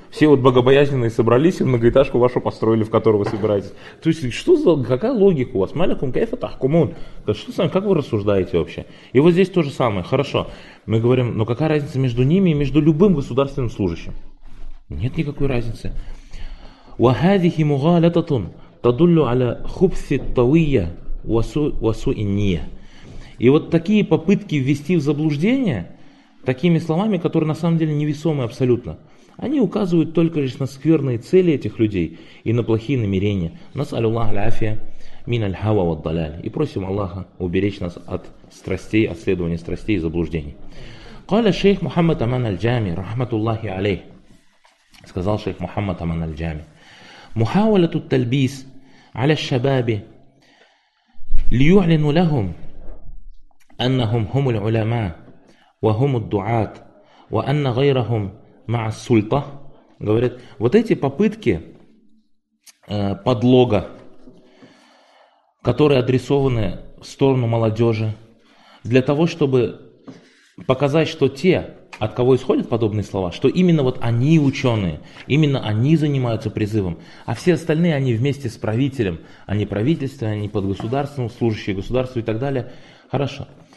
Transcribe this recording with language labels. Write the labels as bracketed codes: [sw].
[ru] Все вот богобоязненные собрались и многоэтажку вашу построили, в которой вы собираетесь. То есть, что за, какая логика у вас? [ar] Маликум кайфа тахкумун. [ru] Что с вами, как вы рассуждаете вообще? И вот здесь то же самое. Хорошо, мы говорим, но какая разница между ними и между любым государственным служащим? Нет никакой разницы. [ar] وهذه مغالطة تدل على خبث الطوية وسوء النية. [ru] И вот такие попытки ввести в заблуждение такими словами, которые на самом деле невесомы абсолютно, они указывают только лишь на скверные цели этих людей и на плохие намерения. [ar] نسأل الله العافية من الهوى والضلال. [ru] И просим Аллаха уберечь нас от страстей, от следования страстей и заблуждений. [ar] قال الشيخ محمد أمان الجامي رحمة الله عليه. [ru] Сказал шейх Мухаммад Аман аль-Джами. [ar] محاولة التلبيس على الشباب ليعلنوا لهم أنهم هم العلماء وهم الدعاة وأن غيرهم مع السلطة. [ru] Говорят, вот эти попытки подлога, которые адресованы в сторону молодежи, для того, чтобы показать, что те, от кого исходят подобные слова, что именно вот они ученые, именно они занимаются призывом, а все остальные, они вместе с правителем, они правительство, они под государством, служащие государству и так далее. Хорошо.